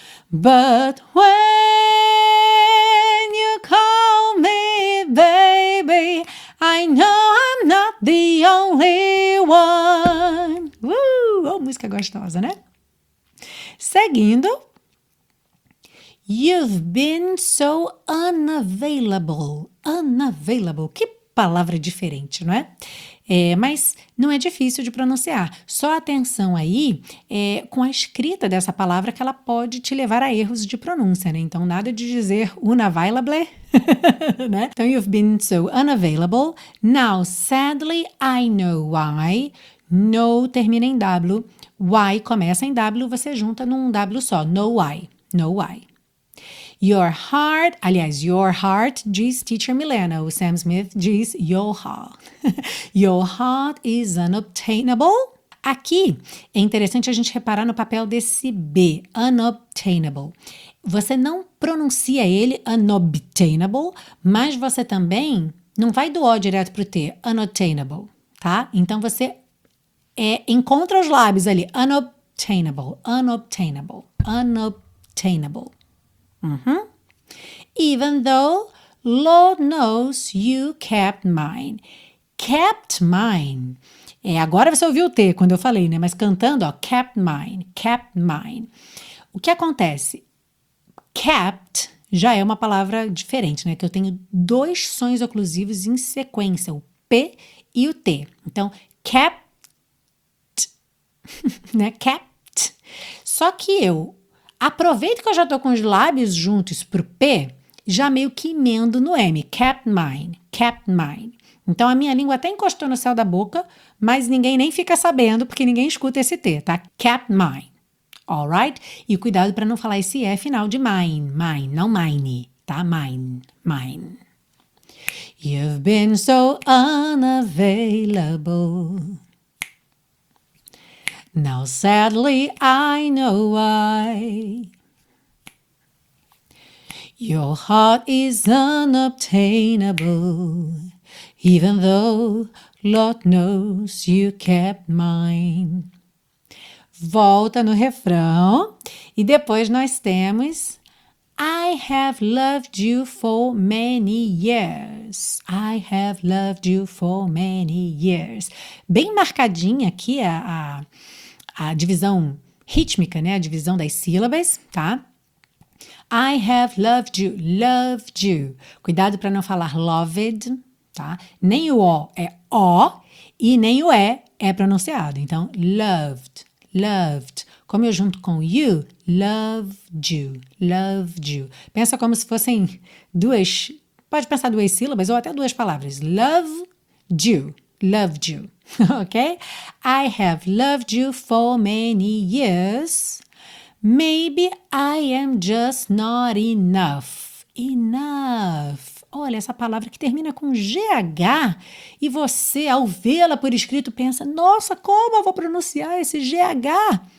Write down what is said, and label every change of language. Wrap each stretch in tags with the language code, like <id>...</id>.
<en>But when you call me baby, I know I'm not the only one. Woo!</en> <pt>Música gostosa, né? Seguindo.</pt> <en>You've been so unavailable. Unavailable.</en> <pt>Que palavra diferente, não é? Mas não é difícil de pronunciar. Só atenção aí com a escrita dessa palavra, que ela pode te levar a erros de pronúncia, né? Então, nada de dizer unavailable, né?</pt> <en>Então, you've been so unavailable. Now, sadly, I know why.</en> <pt>No termina em W. Why começa em W, você junta num W só.</pt> <en>No why. No why. Your heart, aliás, your heart, diz teacher Milena.</en> <pt>O Sam Smith diz</pt> <en>your heart. Your heart is unobtainable.</en> <pt>Aqui, é interessante a gente reparar no papel desse B, unobtainable. Você não pronuncia ele unobtainable, mas você também não vai do O direto para o T, unobtainable, tá? Então, você encontra os lábios ali, unobtainable, unobtainable, unobtainable. Uhum.</pt> <en>Even though, Lord knows, you kept mine. Kept mine.</en> <pt>Agora você ouviu o T quando eu falei, né? Mas cantando, ó, kept mine, kept mine. O que acontece? Kept já é uma palavra diferente, né? Que eu tenho dois sons oclusivos em sequência, o P e o T. Então, kept, né? Kept. Só que eu aproveito que eu já tô com os lábios juntos pro P, já meio que emendo no M. Kept mine, kept mine. Então, a minha língua até encostou no céu da boca, mas ninguém nem fica sabendo, porque ninguém escuta esse T, tá?</pt> <en>Kept mine, alright?</en> <pt>E cuidado para não falar esse E final de mine, mine, não mine, tá?</pt> <en>Mine, mine. You've been so unavailable. Now, sadly, I know why. Your heart is unobtainable, even though Lord knows you kept mine.</en> <pt>Volta no refrão. E depois nós temos:</pt> <en>I have loved you for many years. I have loved you for many years.</en> <pt>Bem marcadinha aqui a divisão rítmica, né? A divisão das sílabas, tá?</pt> <en>I have loved you, loved you.</en> <pt>Cuidado para não falar loved, tá? Nem o O é O e nem o E é pronunciado. Então, loved, loved. Como eu junto com you, loved you, loved you. Pensa como se fossem duas, pode pensar duas sílabas ou até duas palavras.</pt> <en>Loved you, loved you. Ok? I have loved you for many years. Maybe I am just not enough. Enough.</en> <pt>Olha, essa palavra que termina com GH e você, ao vê-la por escrito, pensa, nossa, como eu vou pronunciar esse GH?</pt>